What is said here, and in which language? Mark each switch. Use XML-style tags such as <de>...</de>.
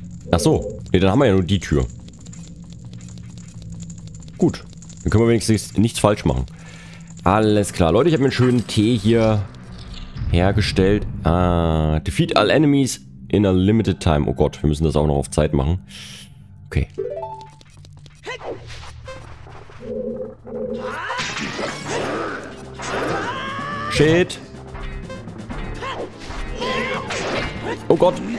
<de>Achso, nee, dann haben wir ja nur die Tür. Gut, dann können wir wenigstens nichts falsch machen. Alles klar, Leute, ich habe mir einen schönen Tee hier hergestellt.</de> <en>Defeat all enemies in a limited time.</en> <de>Oh Gott, wir müssen das auch noch auf Zeit machen. Okay. Shit. Oh Gott.</de>